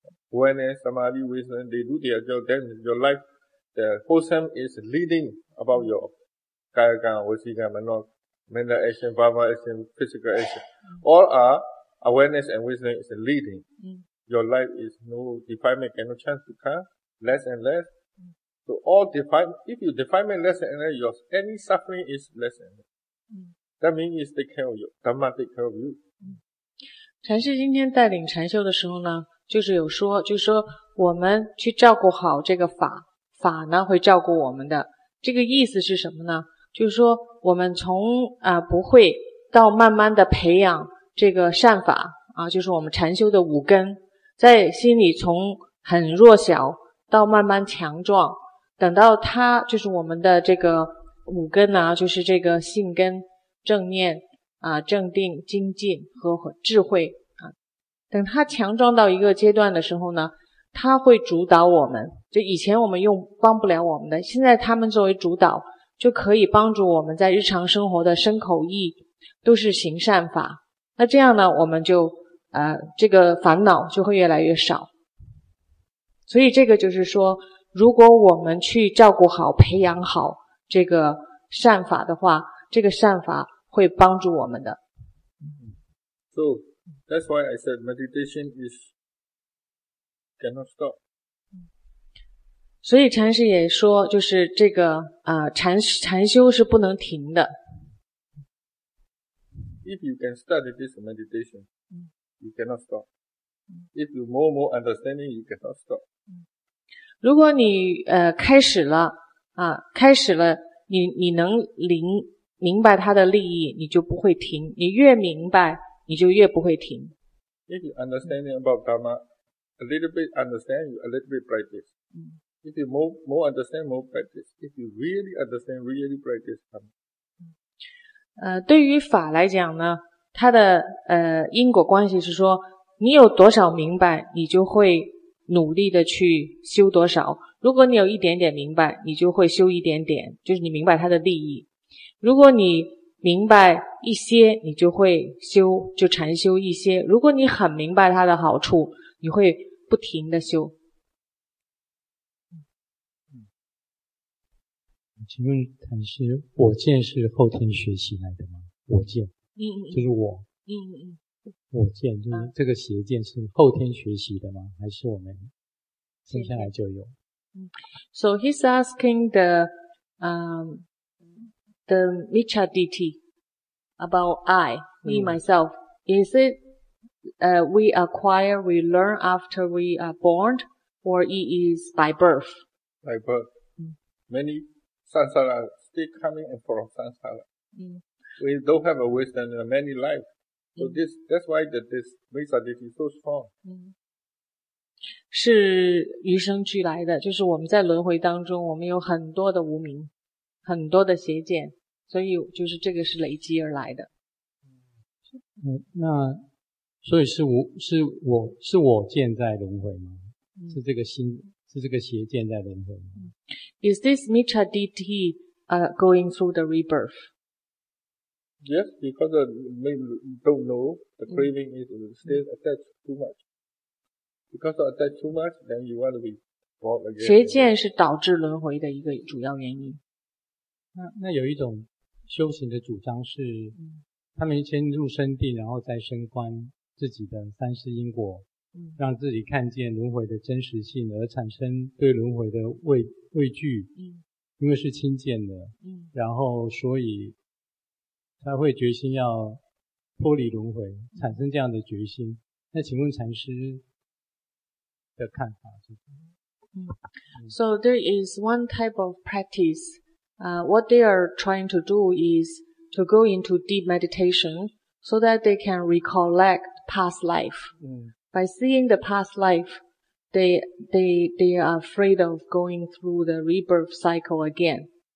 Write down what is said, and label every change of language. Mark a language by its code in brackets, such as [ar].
[en] When samadhi, wisdom, they do their job, then your life, the wholesome is leading about your kaya gan, vasi gan, manor, mental action, bhava action, physical action. Mm-hmm. All are awareness and wisdom is leading. Mm-hmm. Your life is no defilement, and no chance to come, less and less. Mm-hmm. So all defilement, if you defilement less and less, your any suffering is less and less. Mm-hmm. That means it's take care of you. Dhamma take care of you. [zh] 禅师今天带领禅修的时候呢，就是有说，就是说我们去照顾好这个法，法呢会照顾我们的。这个意思是什么呢？就是说我们从不会到慢慢的培养这个善法啊，就是我们禅修的五根，在心里从很弱小到慢慢强壮，等到它就是我们的这个五根呢，就是这个性根、正念。正定、精进和智慧啊，等他强壮到一个阶段的时候呢，他会主导我们。就以前我们用帮不了我们的，现在他们作为主导，就可以帮助我们在日常生活的身口意都是行善法。那这样呢，我们就这个烦恼就会越来越少。所以这个就是说，如果我们去照顾好、培养好这个善法的话，这个善法。会帮助我们的。 [en] So, that's why I said meditation is cannot stop. [zh] 所以禅师也说，就是这个禅修是不能停的。 [en] If you can study this meditation, you cannot stop. If you more and more understanding, you cannot stop. [zh] 如果你开始了开始了，你能灵。明白他的利益，你就不会停。你越明白，你就越不会停。 [en] If you understanding about Dharma, a little bit understand, you a little bit practice. If you more understand, more practice. If you really understand, really practice Dharma. [zh] 对于法来讲呢，它的因果关系是说，你有多少明白，你就会努力的去修多少。如果你有一点点明白，你就会修一点点，就是你明白它的利益。如果你明白一些，你就会修，就禅修一些。如果你很明白它的好处，你会不停的修。请问禅师，我见是后天学习来的吗？我见，就是我，我见就是这个邪见是后天学习的吗？还是我们生下来就有？ [en] So he's asking the the Micha Ditti about I, me, myself. Is it, we acquire, we learn after we are born, or it is by birth? By birth. Many sansara still coming and from sansara. We don't have a wisdom in many lives. So that's why this Micha Ditti is so strong. [zh] 是与生俱来的，就是我们在轮回当中，我们有很多的无明，很多的邪见。所以就是这个是累积而来的。那所以是我见在轮回吗？是这个心是这个邪见在轮回吗？ [en] Is this Micha Ditti going through the rebirth? Yes, because we don't know the craving is still attached too much. Because of attached too much, then you want to be born again. [zh] 邪见是导致轮回的一个主要原因。那有一种修行的主张是他们先入身定，然后再升观自己的三世因果，让自己看见轮回的真实性，而产生对轮回的畏惧，因为是亲见的，然后所以他会决心要脱离轮回，产生这样的决心。那请问禅师的看法是什么？ [en] So there is one type of practice. What they are trying to do is to go into deep meditation so that they can recollect past life. By seeing the past life, they are afraid of going through the rebirth cycle again.